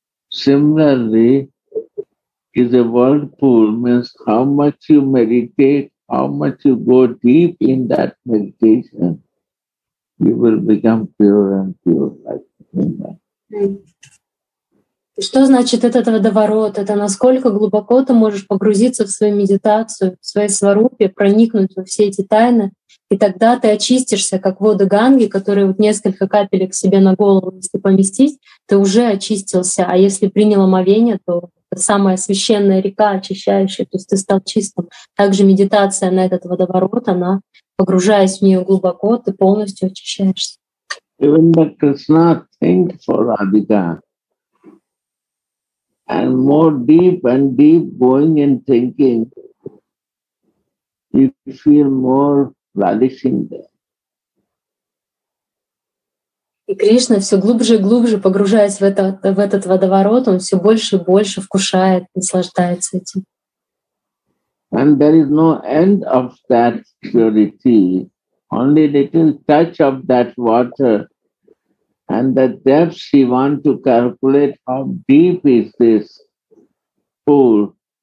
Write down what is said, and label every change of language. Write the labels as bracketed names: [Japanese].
[English] Similarly, is a whirlpool means how much you meditate, how much you go deep in that meditation, you will become pure and pure like that. [Russian] Что значит этот водоворот? Это насколько глубоко ты можешь погрузиться в свою медитацию, в своей сварупе, проникнуть во все эти тайны, и тогда ты очистишься, как воды Ганги, которые вот несколько капелек себе на голову, если поместить, ты уже очистился. А если принял омовение, то это самая священная река, очищающая, то есть ты стал чистым. Также медитация на этот водоворот, она, погружаясь в нее глубоко, ты полностью очищаешься. [English] Even the Krishna think for Radhika. And more deep and deep going and thinking, you feel more relishing there. [Russian] И Кришна все глубже и глубже погружаясь в этот водоворот, он все больше и больше вкушает, наслаждается этим. [English] And there is no end of that purity. Only little touch of that water. And the depths he wants to calculate, how deep is this pool.